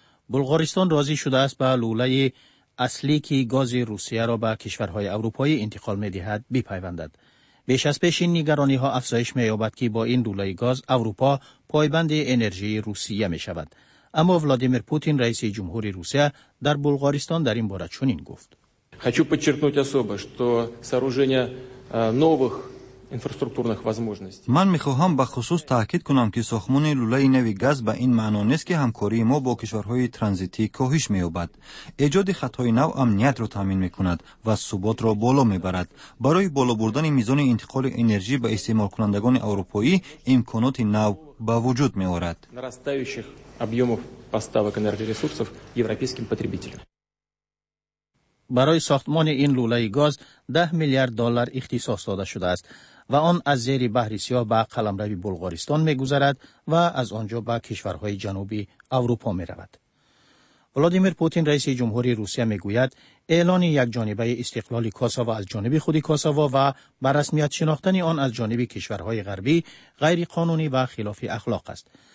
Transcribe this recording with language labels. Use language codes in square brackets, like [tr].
[fa] بلغارستان راضی شده است به لوله اصلی که گاز روسیه را به کشورهای اروپایی انتقال می‌دهد بپیوندد. بیش از پیش این نگرانی ها افزایش می‌یابد که با این لوله گاز اروپا پایبند انرژی روسیه می‌شود. اما ولادیمیر پوتین رئیس جمهور روسیه در بلغارستان در این باره چنین گفت: [ru] хочу подчеркнуть особо, что сооружение новых инфраструктурных возможностей. [fa] من می‌خواهم به خصوص تاکید کنم که ساختمان لوله نوی گاز به این معنا نیست که همکاری ما با کشورهای ترانزیتی کاهش می‌یابد. ایجاد خطهای نو امنیت را تضمین می‌کند و ثبات را بالا می‌برد. برای بالا بردن میزان انتقال انرژی به استعمال کنندگان اروپایی امکانات نو به وجود می‌آورد. [ru] нарастающих объёмов поставок энергоресурсов европейским потребителям. [fa] برای ساختمان این لوله گاز 10 میلیارد دلار اختصاص داده شده است و آن از زیر بحر سیاه به قلمرو بلغارستان می‌گذرد و از آنجا به کشورهای جنوبی اروپا می‌رود. ولادیمیر پوتین رئیس جمهور روسیه می‌گوید اعلان یک جانبه استقلال کوسوو از جانب خود کوسوو و به رسمیت شناختن آن از جانب کشورهای غربی غیر قانونی و خلاف اخلاق است.